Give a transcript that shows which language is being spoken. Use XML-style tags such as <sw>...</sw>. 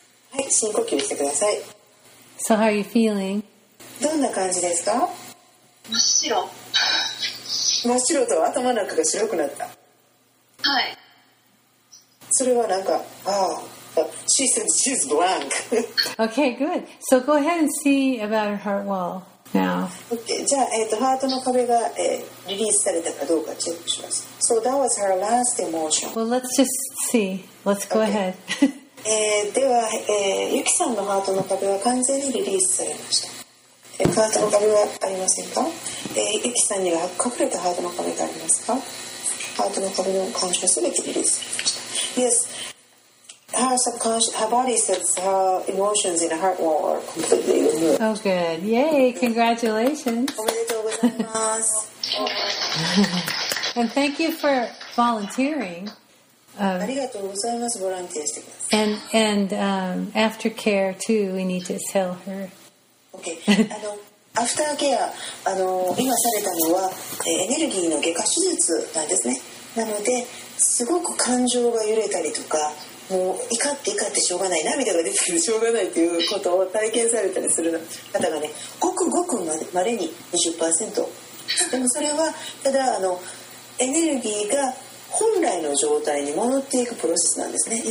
<ja>はい、深呼吸してください。</ja> <en>So how are you feeling?</en> <ja>どんな感じですか？真っ白真っ白と頭の中が白くなった。はい、それはなんか、ああ、</ja> <en>She says she's blank. Okay, good. So go ahead and see about her heart wall now.</en> <ja>Okay, じゃあ、ハートの壁が、リリースされたかどうかチェックします。</ja> <en>So that was her last emotion. Well, let's just see. Let's go ahead.</en> <ja>では、ユキさんのハートの壁は完全にリリースされました。ハートの壁はありませんか？ユキさんには隠れたハートの壁がありますか？ハートの壁の感情すべてリリースされました。</ja> <en>Yes, her subconscious, her body says her emotions in her heart wall are completely removed. Oh, good. Yay, congratulations.</en> <ja>おめでとうございます。</ja> <en>And thank you for volunteering.</en> <ja>ありがとうございます。ボランティアしてください。</ja> <en>And aftercare too, we need to tell her. Okay.</en> <ja>aftercare, 今されたのは、エネルギーの外科手術なんですね。なのですごく感情が揺れたりとか、もう怒って怒ってしょうがない、涙が出てしょうがないということを体験されたりする方がね、ごくごくまれに 20% でも、それはただエネルギーが本来の状態に戻っていくプロセスなんですね。</ja>